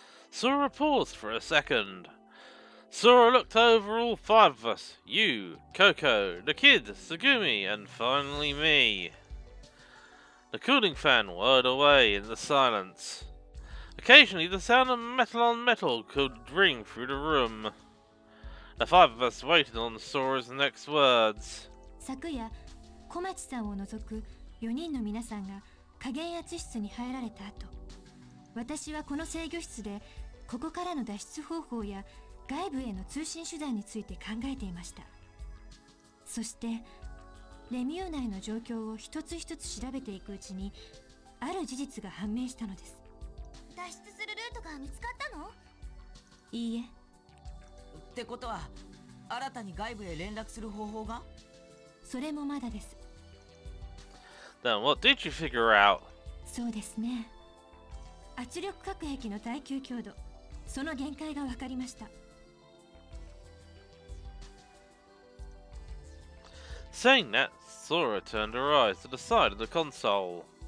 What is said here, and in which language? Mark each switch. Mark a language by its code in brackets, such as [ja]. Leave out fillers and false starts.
[en] Sora paused for a second. Sora looked over all five of us, you, Coco, the kid, Sugumi, and finally me. The cooling fan whirred away in the silence. Occasionally the sound of metal on metal could ring through the room. The five of us waited on Sora's next words. [ja] 昨夜、小町さんを除く4人の皆さんが加減圧室に入られた後、私はこの制御室でここからの脱出方法や 外部への通信手段について考えていました。そして、レミュー内の状況を一つ一つ調べていくうちに、ある事実が判明したのです。脱出するルートが見つかったの？いいえ。ってことは、新たに外部へ連絡する方法が？それもまだです。 [en] Then what did you figure out? [ja] そうですね。圧力核兵器の耐久強度、その限界が分かりました。 [en] Saying that, Sora turned her eyes to the side of the console.